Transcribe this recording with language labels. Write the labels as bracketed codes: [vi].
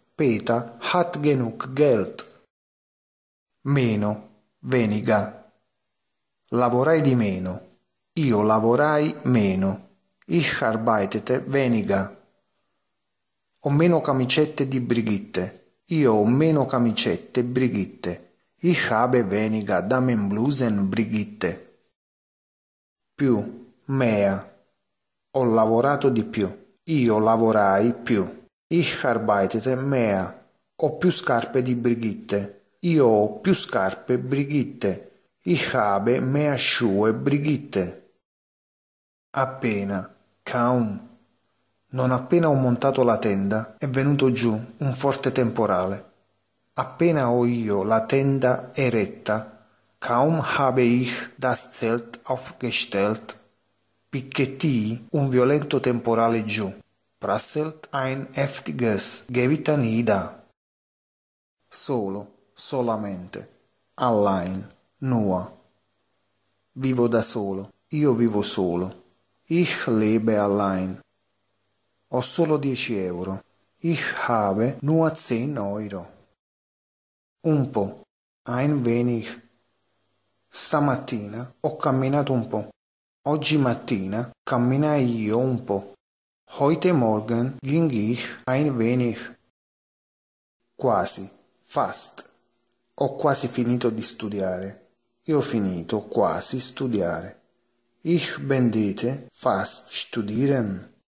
[de] Peter hat genug Geld. Meno. Weniger. [it] Lavorai di meno. Io lavorai meno. [de] Ich arbeitete weniger. [it] Ho meno camicette di Brigitte. Io ho meno camicette Brigitte. [de] Ich habe weniger Damenblusen Brigitte. [it] Più, mehr. Ho lavorato di più. Io lavorai più. [de] Ich arbeitete mehr. [it] Ho più scarpe di Brigitte. Io ho più scarpe Brigitte. [de] Ich habe mehr Schuhe Brigitte. [it] Appena, kaum. Non appena ho montato la tenda, è venuto giù un forte temporale. Appena ho io la tenda eretta, [de] kaum habe ich das Zelt aufgestellt, [it] picchettii un violento temporale giù. [de] Prasselt ein heftiges Gewitter nieder. [it] Solo, solamente, allein, nur. Vivo da solo, io vivo solo. [de] Ich lebe allein. [it] Ho solo 10 euro. [de] Ich habe nur 10 euro. [it] Un po'. [de] Ein wenig. [it] Stamattina ho camminato un po'. Oggi mattina camminai io un po'. [de] Heute morgen ging ich ein wenig. [it] Quasi. Fast. Ho quasi finito di studiare. Io ho finito quasi studiare. [de] Ich beendete fast studieren.